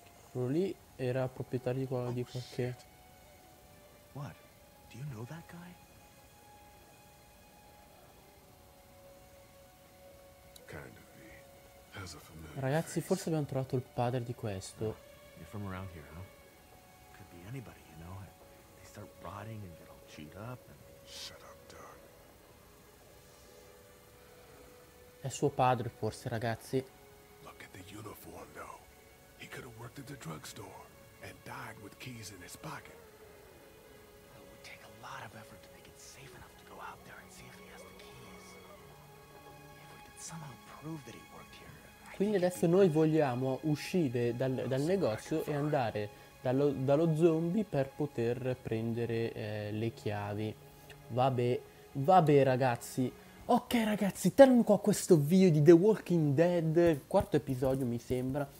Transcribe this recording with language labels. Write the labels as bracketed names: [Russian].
[Italian] Quello lì era proprietario di quello, oh, di qualche. [English] What? Do you know that guy? Kind of be. Has a familiar face. [Italian] Ragazzi, forse abbiamo trovato il padre di questo. [English] You're from around here, huh? Could be anybody, you know. They start rotting and get all chewed up and shut up, Doug. [Italian] È suo padre, forse, ragazzi. [English] Look at the uniform, though. He could have worked at the drugstore and died with keys in his pocket. It would take a lot of effort to make it safe enough to go out there and see if he has the keys. If we could somehow prove that he worked here. [Italian] Quindi adesso noi vogliamo uscire dal negozio e andare dallo zombie per poter prendere le chiavi. Vabbè, vabbè ragazzi. Ok ragazzi, termino qua questo video di The Walking Dead, quarto episodio mi sembra.